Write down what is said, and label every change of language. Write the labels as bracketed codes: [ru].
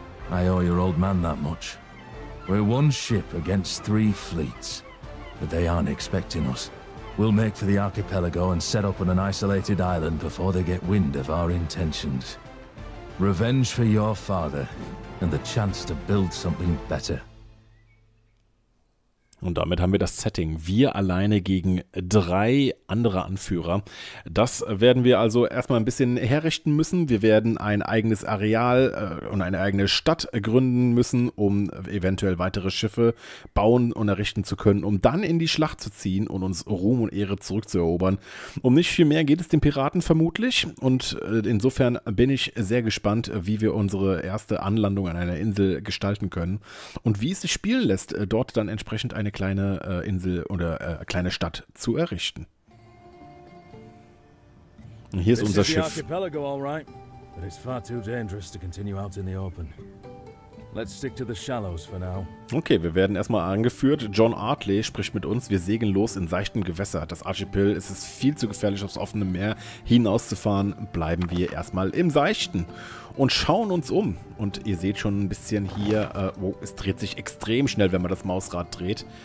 [en] I owe your old man that much. We're one ship against three fleets, but they aren't expecting us. We'll make for the archipelago and set up on an isolated island before they get wind of our intentions. Revenge for your father and the chance to build something better. [de] Und damit haben wir das Setting. Wir alleine gegen drei andere Anführer. Das werden wir also erstmal ein bisschen herrichten müssen. Wir werden ein eigenes Areal und eine eigene Stadt gründen müssen, um eventuell weitere Schiffe bauen und errichten zu können, um dann in die Schlacht zu ziehen und uns Ruhm und Ehre zurückzuerobern. Um nicht viel mehr geht es den Piraten vermutlich. Und insofern bin ich sehr gespannt, wie wir unsere erste Anlandung an einer Insel gestalten können und wie es sich spielen lässt, dort dann entsprechend eine kleine Insel oder kleine Stadt zu errichten. Und hier ist unser Schiff. [en] This is the archipelago, all right. But it's far too dangerous to continue out in the open. Let's stick to the shallows for now. [de] Okay, wir werden erstmal angeführt. John Artley spricht mit uns. Wir segeln los in seichtem Gewässer. Das Archipel ist es viel zu gefährlich, aufs offene Meer hinauszufahren. Bleiben wir erstmal im Seichten und schauen uns um. Und ihr seht schon ein bisschen hier, es dreht sich extrem schnell, wenn man das Mausrad dreht.